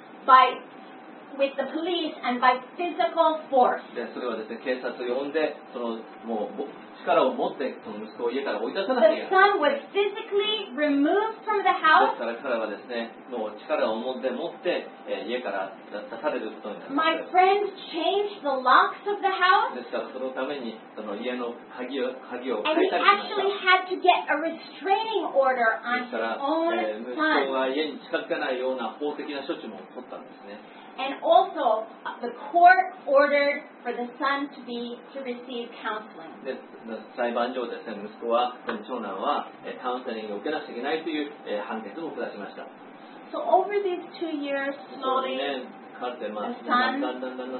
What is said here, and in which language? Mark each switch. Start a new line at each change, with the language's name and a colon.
English: My friend had to do this with the police and by physical force.
Japanese: で、それはですね、警察を呼んで、もう力を持って、その息子を家から追い出さなきゃいけない。
English: The son was physically removed from the house.
Japanese: ですから彼はですね、もう力を持って、家から出されることになります。
English: My friend changed the locks of the house.
Japanese: ですからそのために、その家の鍵を変えたりしました
English: 。 And he actually had to get a restraining order on his own son.
Japanese: ですから、息子は家に近づかないような法的な処置も取ったんですね。
English: And also, the court ordered for the son to receive counseling.
Japanese: で、裁判上ですね、息子は、この長男は、カウンセリングを受けなくちゃいけないという、判決を下しました。
English: So over these 2 years, slowly, the son got better.